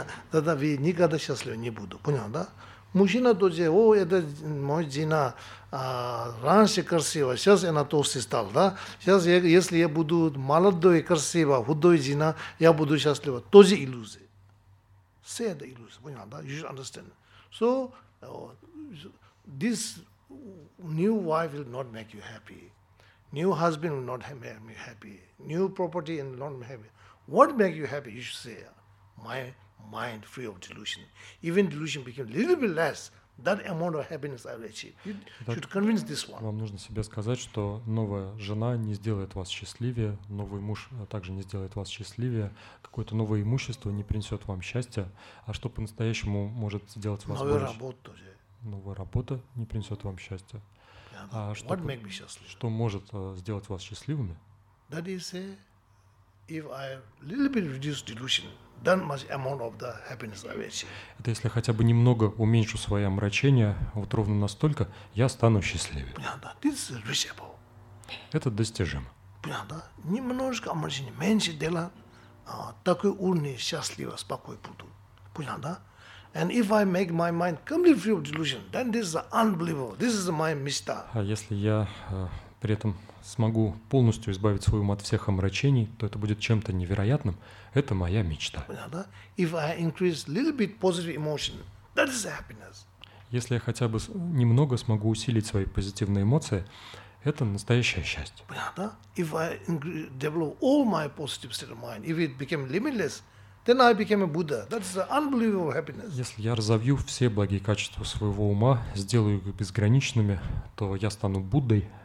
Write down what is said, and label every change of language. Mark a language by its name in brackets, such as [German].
[Russian] Тогда вы никогда счастливы не буду, понял, да? Мужчина тоже, о, это моя жена раньше красивая, сейчас она толстая стала, да? Сейчас, если я буду молодой, красивой, худой жена, я буду счастлива. Тоже иллюзия. Все это иллюзия, понял, да? [English] You should understand. So, this new wife will not make you happy. New husband will not make me happy. New property will not make me happy. What makes you happy? You should say, my mind free of delusion. Even delusion became a little bit less. That amount of happiness I will achieve. You [Russian] Итак, [English] should convince this one. [Russian] Вам нужно себе сказать, что новая жена не сделает вас счастливее, новый муж также не сделает вас счастливее, какое-то новое имущество не принесет вам счастья, а что по-настоящему может сделать вас больше? Новая работа не принесет вам счастья. А что, [English] what make me [Russian] счастливым? Что может сделать вас счастливыми? [English] That is, if I little bit reduce delusion. That much amount of the happiness I will achieve. [Russian] Это если хотя бы немного уменьшу свои омрачения, вот ровно настолько, я стану счастливее. Понятно, да? [English] This is reachable. [Russian] Это достижимо. Понятно, да? Немножко омрачения, меньше дела, такой уровень счастлива, спокойно буду. Понятно, да? [English] And if I make my mind completely free of delusion, then this is unbelievable. This is my mistake. [Russian] А если я при этом смогу полностью избавить свой ум от всех омрачений, то это будет чем-то невероятным. Это моя мечта. [English] If I increase little bit positive emotion, that is happiness. [Russian] Если я хотя бы немного смогу усилить свои позитивные эмоции, это настоящее счастье. Понятно? [English] If I develop all my positive state of mind, if it became limitless, then I became a Buddha. That is unbelievable happiness. [Russian] Если я разовью все благие качества своего ума, сделаю их безграничными, то я стану Буддой.